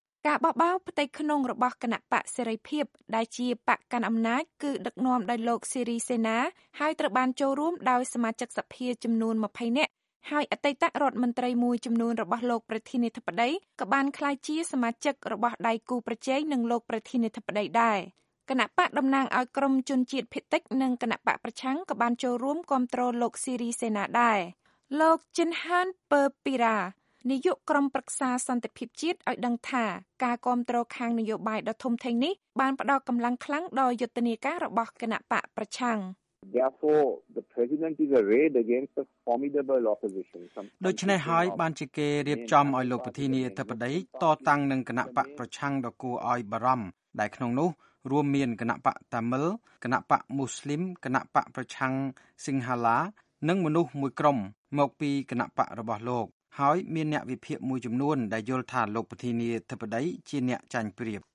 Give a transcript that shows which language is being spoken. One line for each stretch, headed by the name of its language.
Khmer: ការបោះបោរផ្ទៃក្នុងរបស់គណៈបកសេរីភាពដែលជាបកកាន់អំណាចគឺដឹកនាំដោយលោកសិរីសេណាហើយត្រូវបានចូលរួមដោយសមាជិកសភាចំនួន20នាក់ហើយអតីតរដ្ឋមន្ត្រីមួយចំនួនរបស់លោកប្រធានាធិបតីក៏បានក្លាយជាសមាជិករបស់ដៃគូប្រជែងនឹងលោកប្រធានាធិបតីដែរគណៈបកតំណាងឲ្យក្រុមជនជាតិភាគតិចនិងគណៈបកប្រឆាំងក៏បានចូលរួមគាំទ្រលោកស៊ីរីសេណាដែរ លោកជិនហានពើពីរ៉ានាយកក្រុមប្រឹក្សាសន្តិភាពជាតិឲ្យដឹងថាការគាំទ្រខាងនយោបាយដ៏ធំធេងនេះបានផ្ដល់កម្លាំងខ្លាំងដល់យុទ្ធនាការរបស់គណៈបកប្រឆាំង
English: Therefore, the president is arrayed against a formidable opposition.
Khmer: ដូច្នេះហើយបានជាគេរៀបចំឲ្យលោកប្រធានាធិបតីតតាំងនឹងគណៈបកប្រឆាំងដ៏គួរឲ្យបារម្ភដែលក្នុងនោះរួមមានគណៈបកតាមិលគណៈបកមូស្លីមគណៈបកប្រឆាំងសិង្ហឡានិងមនុស្សមួយក្រុមមកពីគណៈបករបស់លោកហើយមានអ្នកវិភាគមួយចំនួនដែលយល់ថាលោកប្រធានាធិបតីជាអ្នកចាញ់ប្រៀប